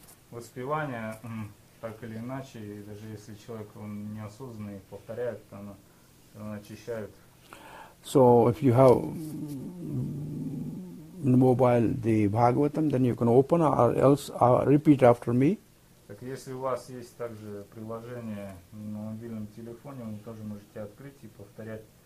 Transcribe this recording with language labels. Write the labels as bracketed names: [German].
[Russian] Воспевание, так или иначе, даже если человек он неосознанно и повторяет, оно очищает. [English] So, if you have mobile the Bhagavatam, then you can open or else repeat after me. [Russian] Так, если у вас есть также приложение на мобильном телефоне, вы тоже можете открыть и повторять.